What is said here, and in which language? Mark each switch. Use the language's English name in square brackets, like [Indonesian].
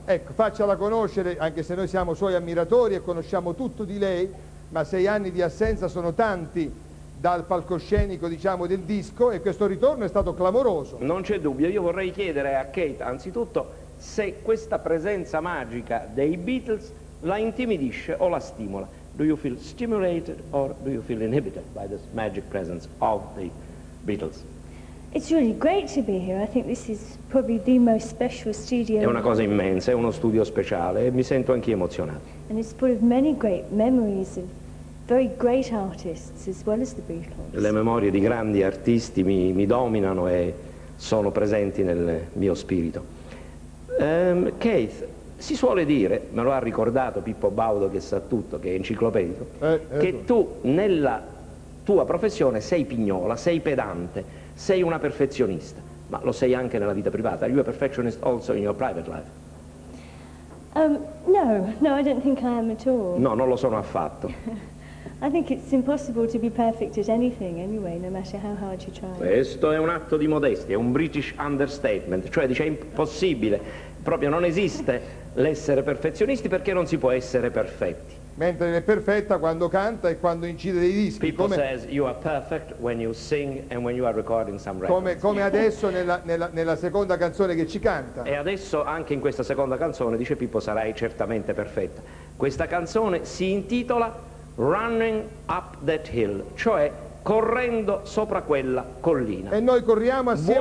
[Italian] Ecco, faccela conoscere, anche se noi siamo suoi ammiratori e conosciamo tutto di lei, ma 6 anni di assenza sono tanti dal palcoscenico, diciamo, del disco, e questo ritorno è stato clamoroso. Non c'è dubbio, io vorrei chiedere a Kate, anzitutto, se questa presenza magica dei Beatles la intimidisce o la stimola. [English] Do you feel stimulated or do you feel inhibited by this magic presence of the Beatles? It's really great to be here. I think this is probably the most special studio. [Italian] È una cosa immensa, è uno studio speciale e mi sento anche emozionato. [English] And it's full of many great memories of very great artists as well as the Beatles. [Italian] Le memorie di grandi artisti mi dominano e sono presenti nel mio spirito. Keith, si suole dire, me lo ha ricordato Pippo Baudo che sa tutto, che è enciclopedico, che tu nella tua professione sei pignola, sei pedante, sei una perfezionista, ma lo sei anche nella vita privata. [English] Are you a perfectionist also in your private life? No, I don't think I am at all. [Italian] No, non lo sono affatto. [English] I think it's impossible to be perfect at anything anyway, no matter how hard you try. [Italian] Questo è un atto di modestia, è un British understatement, cioè dice è impossibile, proprio non esiste l'essere perfezionisti perché non si può essere perfetti. Mentre è perfetta quando canta e quando incide dei dischi. [English] People come says you are perfect when you sing and when you are recording some records. [Italian] Come adesso nella seconda canzone che ci canta. E adesso anche in questa seconda canzone dice Pippo sarai certamente perfetta. Questa canzone si intitola Running Up That Hill, cioè correndo sopra quella collina. E noi corriamo assieme.